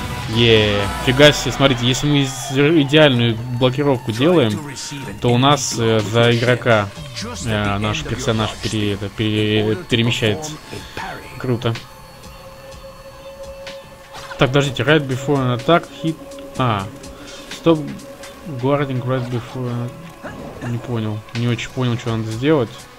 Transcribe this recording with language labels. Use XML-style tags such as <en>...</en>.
<ru>Еее, фига себе, смотрите, если мы идеальную блокировку делаем, то у нас за игрока наш персонаж перемещается. Круто. Так, подождите,</ru> <en>right before an attack, hit... А, stop guarding right before...</en> <ru>Не понял, не очень понял, что надо сделать.</ru>